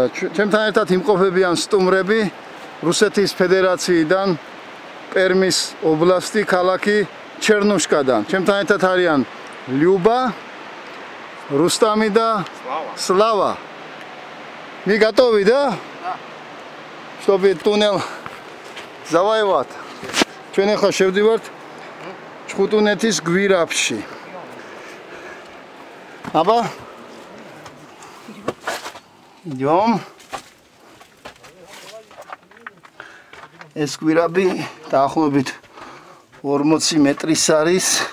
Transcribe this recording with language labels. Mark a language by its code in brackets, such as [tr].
[ka] ჩემთან ერთად იმყოფებიან სტუმრები რუსეთის ფედერაციიდან, პერმის ობლასტი, ქალაქი ჩერნუშკადან. ჩემთან ერთად არიან ლიუბა, რუსტამი და სლავა. [ru] Вы готовы, да? Да. Чтобы туннел завоевать. [ka] Ჩვენ ახლა შევდივართ ჩხუტუნეთის გვირაბში. Аба? [ru] Идём. [ka] Эс გვირაბი დაახლოებით 40 მეტრის არის.